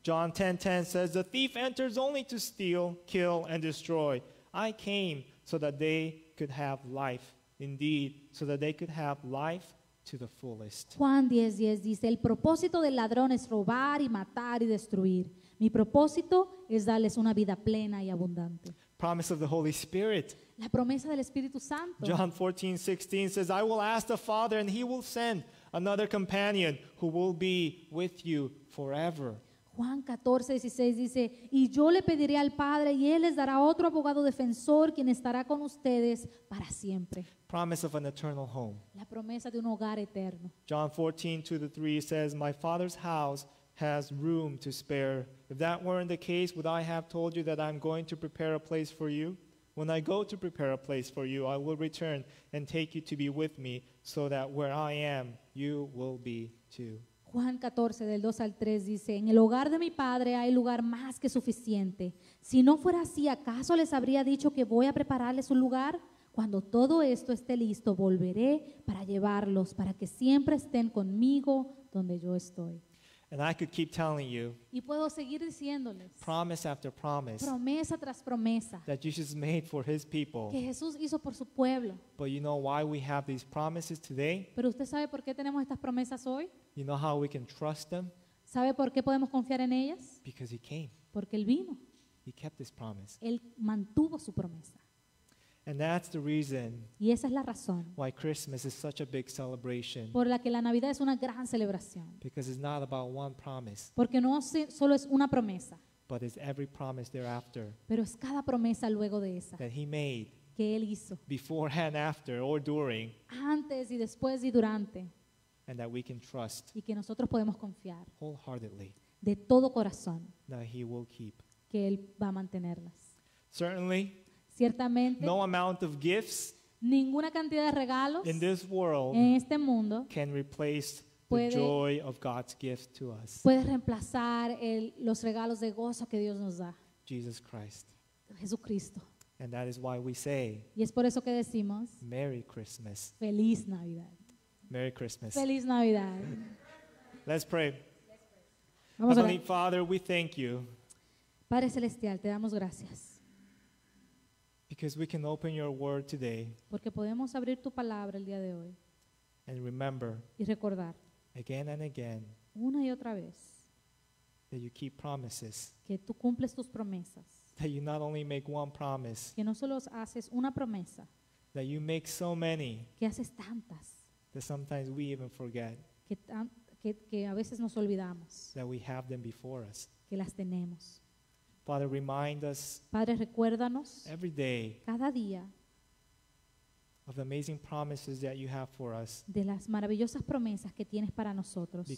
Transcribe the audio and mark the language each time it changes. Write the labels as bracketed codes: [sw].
[en] John 10:10 says, "The thief enters only to steal, kill, and destroy. I came so that they could have life." Indeed, so that they could have life to the fullest. [es] Juan 10:10 dice, "El propósito del ladrón es robar y matar y destruir. Mi propósito es darles una vida plena y abundante." [en] Promise of the Holy Spirit. [es] La promesa del Espíritu Santo. [en] John 14:16 says, "I will ask the Father and he will send another companion who will be with you forever." [es] Juan 14:16 dice, "Y yo le pediré al Padre y él les dará otro abogado defensor quien estará con ustedes para siempre." [en] Promise of an eternal home. [es] La promesa de un hogar eterno. [en] John 14:2-3 says, "My Father's house has room to spare. If that weren't the case, would I have told you that I'm going to prepare a place for you? When I go to prepare a place for you, I will return and take you to be with me, so that where I am, you will be too. [es] Juan 14, del 2 al 3 dice, en el hogar de mi padre hay lugar más que suficiente. Si no fuera así, ¿acaso les habría dicho que voy a prepararles un lugar? Cuando todo esto esté listo, volveré para llevarlos, para que siempre estén conmigo donde yo estoy. [en] And I could keep telling you, [es] y puedo seguir diciéndoles, [en] promise after promise, [es] promesa tras promesa, [en] that Jesus made for his people, [es] que Jesús hizo por su pueblo. [en] But you know why we have these promises today? [es] ¿Pero usted sabe por qué tenemos estas promesas hoy? [en] You know how we can trust them? [es] ¿Sabe por qué podemos confiar en ellas? [en] Because he came. [es] Porque él vino. [en] He kept his promise. [es] Él mantuvo su promesa. [en] And that's the reason, [es] y esa es la razón, [en] why Christmas is such a big celebration. [es] Por la que la Navidad es una gran celebración. [en] Because it's not about one promise. [es] Porque no solo es una promesa. [en] But it's every promise thereafter. [es] Pero es cada promesa luego de esa. [en] That he made. [es] Que él hizo. [en] Before and after or during. [es] Antes y después y durante. [en] And that we can trust. [es] Y que nosotros podemos confiar. [en] Wholeheartedly. [es] De todo corazón. [en] That he will keep. [es] Que él va a mantenerlas. [en] Certainly. [es] Ciertamente, [en] no amount of gifts, [es] ninguna cantidad de regalos [en] in this world, [es] en este mundo, [en] can replace the joy of God's gift to us. [es] Puede reemplazar los regalos de gozo que Dios nos da. [en] Jesus Christ. [es] Jesucristo. [en] And that is why we say, [es] y es por eso que decimos, [en] Merry Christmas. [es] Feliz Navidad. [en] Merry Christmas. [es] Feliz Navidad. [en] Let's pray. [es] Vamos [en] Heavenly Father, we thank you. [es] Padre Celestial, te damos gracias. [en] Because we can open your word today. [es] Porque podemos abrir tu palabra el día de hoy. [en] And remember. [es] Y recordar. [en] Again and again. [es] Una y otra vez. [en] That you keep promises. [es] Que tú cumples tus promesas. [en] That you not only make one promise. [es] Que no solo haces una promesa. [en] That you make so many. [es] Que haces tantas. [en] That sometimes we even forget. [es] Que a veces nos olvidamos. [en] That we have them before us. [es] Que las tenemos. [en] Father, remind us. [es] Padre, recuérdanos. [en] Every day. [es] Cada día. [en] Of the amazing promises that you have for us. [es] De las maravillosas promesas que tienes para nosotros.